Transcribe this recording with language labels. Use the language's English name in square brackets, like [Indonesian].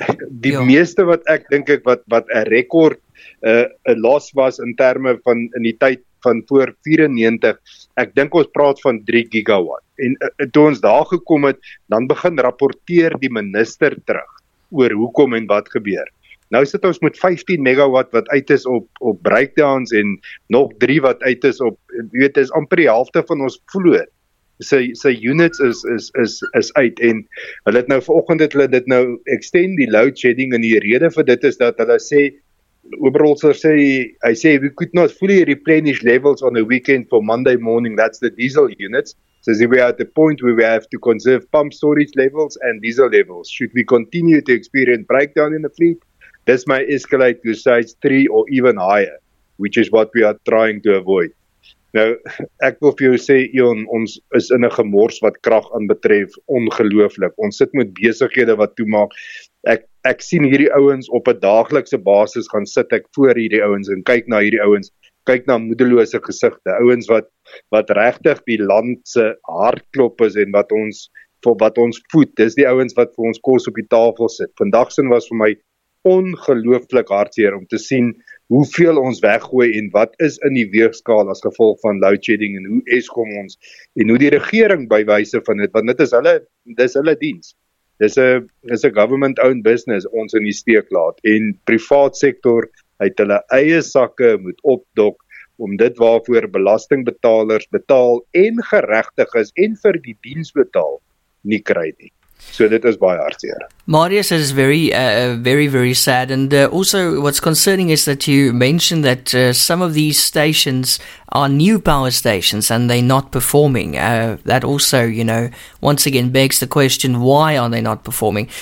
[Afrikaans] die meeste wat ek dink ek wat 'n rekord 'n los was in terme van in die tyd van voor 94, ek dink ons praat van 3 gigawatt, en toe ons daar gekom het, dan begin rapporteer die minister terug oor hoekom en wat gebeur. Nou sit ons met 15 megawatt wat uit is op breakdowns, en nog 3 wat uit is op, weet, is amper die helfte van ons vloot. Sy units is uit, en hulle het nou vanoggend hulle extend die load shedding, en die rede vir dit is dat hulle sê, Overholser sê, hy sê, [English] we could not fully replenish levels on a weekend for Monday morning, that's the diesel units. So we are at the point where we have to conserve pump storage levels and diesel levels. Should we continue to experience breakdown in the fleet, this may escalate to size 3 or even higher, which is what we are trying to avoid. [Afrikaans] Nou, ek wil vir jou sê, Ion, ons is in 'n gemors wat krag aanbetref, ongelooflik. Ons sit met besighede wat toemaak. Ek sien hierdie ouens op 'n daaglikse basis, gaan sit ek voor hierdie ouens en kyk na hierdie ouens, kyk na moedelose gesigte, ouens wat wat regtig die land se hartklop is en wat ons vir wat ons voed. Dis die ouens wat vir ons kos op die tafel sit. Vandag sin was vir my ongelooflik hartseer om te sien hoeveel ons weggooi en wat is in die weegskaal as gevolg van load shedding en hoe Eskom ons en hoe die regering bywyse van dit, want dit is hulle, dis hulle diens. Dis 'n [English] government owned business [Afrikaans] ons in die steek laat en privaat sektor uit hulle eie sakke moet opdok om dit waarvoor belastingbetalers betaal en geregtig is en vir die diens betaal nie kry nie. So dit is baie hartseer. [English] Marius, is very very very sad, and also what's concerning is that you mentioned that some of these stations are new power stations and they're not performing. That also, you know, once again begs the question, why are they not performing?